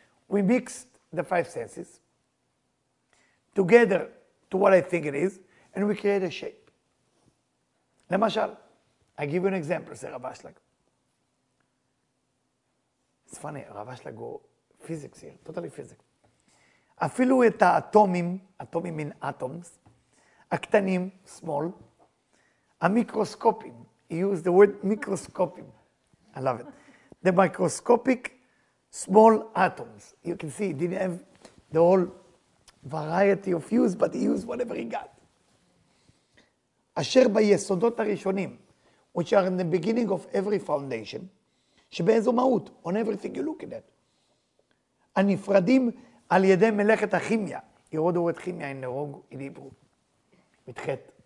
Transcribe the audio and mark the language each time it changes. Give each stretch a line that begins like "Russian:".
English: We mixed the five senses together to what I think it is, and we create a shape.
Hebrew: למשל,
English: I give you an example, say רב אשלג. It's funny, רב אשלג
Hebrew: הוא
English: physics here, totally physics.
Hebrew: אפילו את האטומים, אטומים מן אטומס, הקטנים,
English: small,
Hebrew: המיקרוסקופים,
English: he used the word
Hebrew: מיקרוסקופים.
English: I love it. The microscopic small atoms. You can see he didn't have the whole variety of use, but he used whatever he got.
Hebrew: אשר ביסודות הראשונים,
English: which are in the beginning of every foundation,
Hebrew: שבאיזו מהות,
English: on everything you look at it,
Hebrew: הנפרדים על ידי מלאכת הכימיה,
English: you wrote the word כימיה in the wrong in Hebrew,
Hebrew: מתחת.